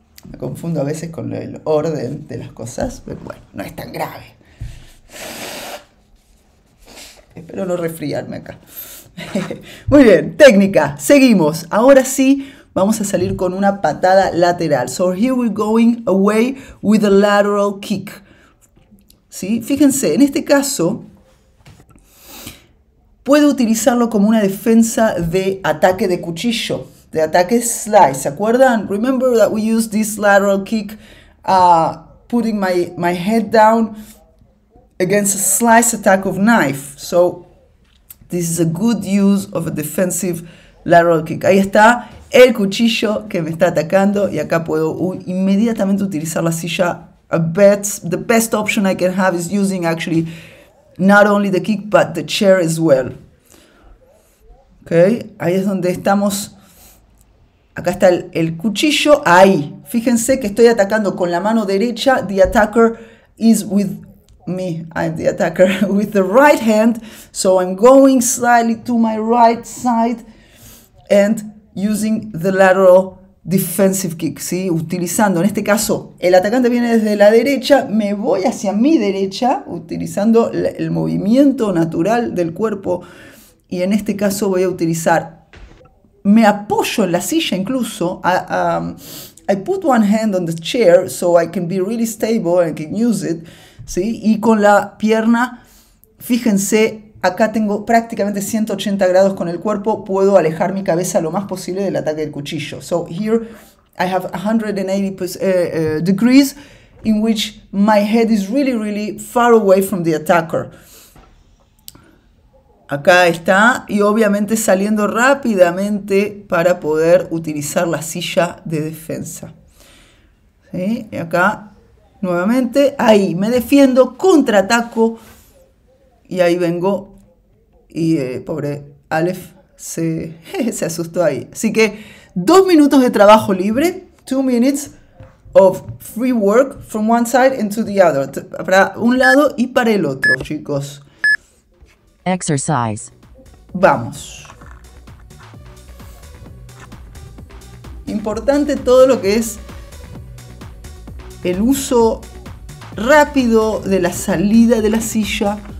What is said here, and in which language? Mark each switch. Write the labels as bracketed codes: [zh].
[es] Me confundo a veces con el orden de las cosas, pero bueno, no es tan grave. Espero no resfriarme acá. Muy bien, técnica. Seguimos. Ahora sí vamos a salir con una patada lateral. [en] So here we're going away with a lateral kick. [es] ¿Sí? Fíjense, en este caso puedo utilizarlo como una defensa de ataque de cuchillo, de ataque slice. ¿Se acuerdan? [en] Remember that we used this lateral kick, putting my head down against a slice attack of knife. So, this is a good use of a defensive lateral kick. [es] Ahí está el cuchillo que me está atacando y acá puedo inmediatamente utilizar la silla. [en] The best option I can have is using actually not only the kick but the chair as well. [es] Okay, ahí es donde estamos. Acá está el cuchillo. Ahí, fíjense que estoy atacando con la mano derecha. [en] The attacker is with me. I'm the attacker with the right hand. So I'm going slightly to my right side and using the lateral. Defensive kick, [es] ¿sí? Utilizando, en este caso, el atacante viene desde la derecha, me voy hacia mi derecha, utilizando el movimiento natural del cuerpo, y en este caso voy a utilizar, me apoyo en la silla incluso, [en] I put one hand on the chair so I can be really stable and I can use it, [es] ¿sí? Y con la pierna, fíjense, acá tengo prácticamente 180 grados con el cuerpo, puedo alejar mi cabeza lo más posible del ataque del cuchillo. [en] So here I have 180 degrees in which my head is really, really far away from the attacker. [es] Acá está y obviamente saliendo rápidamente para poder utilizar la silla de defensa. ¿Sí? Y acá nuevamente, ahí me defiendo, contraataco y ahí vengo. Y pobre Aleph se asustó ahí. Así que 2 minutos de trabajo libre. [en] 2 minutes of free work from one side and to the other. [es] Para un lado y para el otro, chicos. [en] Exercise. [es] Vamos. Importante todo lo que es el uso rápido de la salida de la silla.